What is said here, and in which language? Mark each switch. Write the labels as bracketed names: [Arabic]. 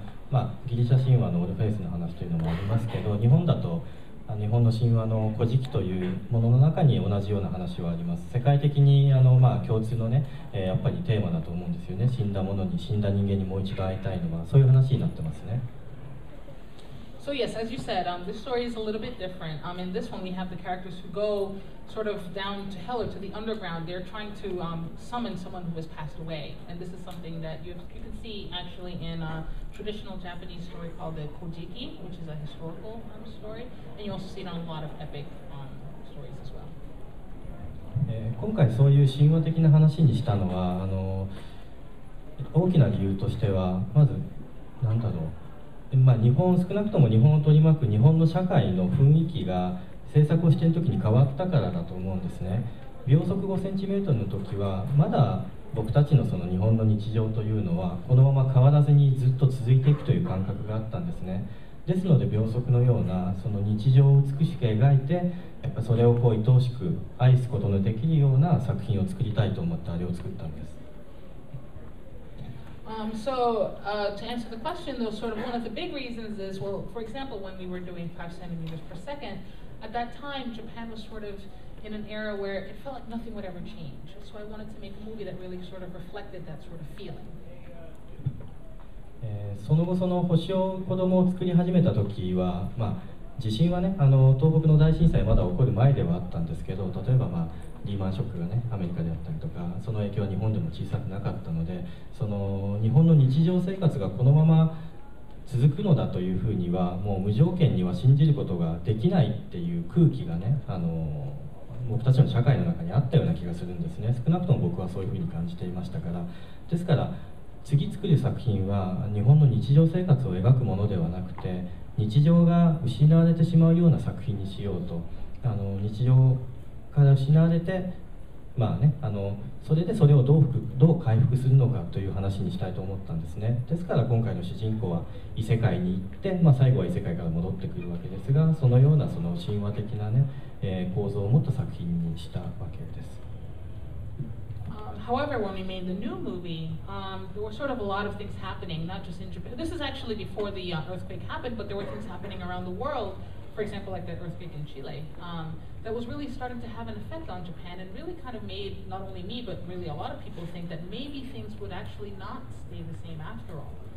[Japanese] まあ、ギリシャ神話のオルフェウスの話というのもありますけど、日本だと日本の神話の古事記というものの中に同じような話はあります。世界的にまあ、共通のね、やっぱりテーマだと思うんですよね。死んだ人間にもう一度会いたいのは、そういう話になってますね。 [English] So yes, as you said, this story is a little bit different. In this one, we have the characters who go sort of down to hell or to the underground. They're trying to summon someone who has passed away. And this is something that you can see actually in a traditional Japanese story called the Kojiki, which is a historical story. And you also see it on a lot of epic stories as well. [Japanese] 今回そういう神話的な話にしたのは、大きな理由としては、まず、なんだろう。まあ、少なくとも日本を取り巻く日本の社会の雰囲気が制作をしている時に変わったからだと思うんですね。秒速5センチメートルの時はまだ僕たち その日本の日常というのはこのまま変わらずにずっと続いていくという感覚があったんですね。ですので秒速のようなその日常を美しく描いてやっぱそれをこう愛おしく愛すことのできるような作品を作りたいと思ってあれを作ったんです。 [English] To answer the question, though, sort of one of the big reasons is, well, for example, when we were doing 5 centimeters per second, at that time, Japan was sort of in an era where it felt like nothing would ever change. So I wanted to make a movie that really sort of reflected that sort of feeling. [Japanese] その後その星を子供を作り始めた時は、まあ、地震はね、東北の大震災まだ起こる前ではあったんですけど、例えば、まあ、リーマンショックがね、アメリカであったりとか、その影響は日本でも小さくなかったので、その日本の日常生活がこのまま続くのだというふうには、もう無条件には信じることができないっていう空気がね、僕たちの社会の中にあったような気がするんですね。少なくとも僕はそういうふうに感じていましたから。ですから、次作る作品は日本の日常生活を描くものではなくて、日常が失われてしまうような作品にしようと、日常から失われて、まあね、それでそれをどう回復するのかという話にしたいと思ったんですね。ですから今回の主人公は異世界に行って、まあ、最後は異世界から戻ってくるわけですが、そのようなその神話的な、ね、構造を持った作品にしたわけです。 [English] However, when we made the new movie, there were sort of a lot of things happening, not just in Japan. This is actually before the earthquake happened, but there were things happening around the world, for example, like the earthquake in Chile, that was really starting to have an effect on Japan and really kind of made not only me, but really a lot of people think that maybe things would actually not stay the same after all.